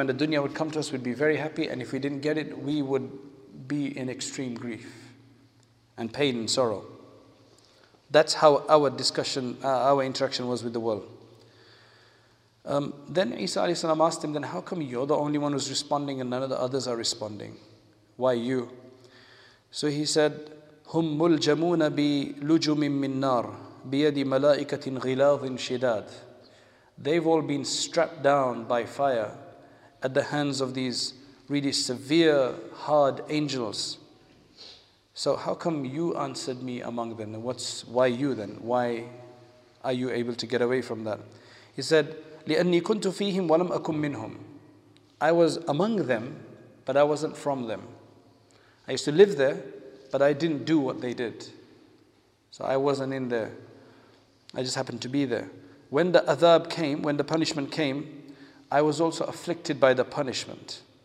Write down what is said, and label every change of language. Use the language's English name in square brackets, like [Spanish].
[English] When the dunya would come to us, we'd be very happy. And if we didn't get it, we would be in extreme grief and pain and sorrow. That's how our discussion, our interaction was with the world. Then Isa alayhi salam asked him, then how come you're the only one who's responding and none of the others are responding? Why you? [Arabic] So he said, هُمْ مُلْجَمُونَ بِلُجُمٍ مِّن نَارٍ بِيَدِ مَلَائِكَةٍ غِلَاظٍ شِدَادٍ. [English] They've all been strapped down by fire at the hands of these really severe, hard angels. So how come you answered me among them? What's, why you then? Why are you able to get away from that? [Arabic] He said, لِأَنِّي كُنْتُ فِيهِمْ وَلَمْ أَكُمْ مِنْهُمْ. [English] I was among them, but I wasn't from them. I used to live there, but I didn't do what they did. So I wasn't in there. I just happened to be there. When the adhab came, when the punishment came, I was also afflicted by the punishment.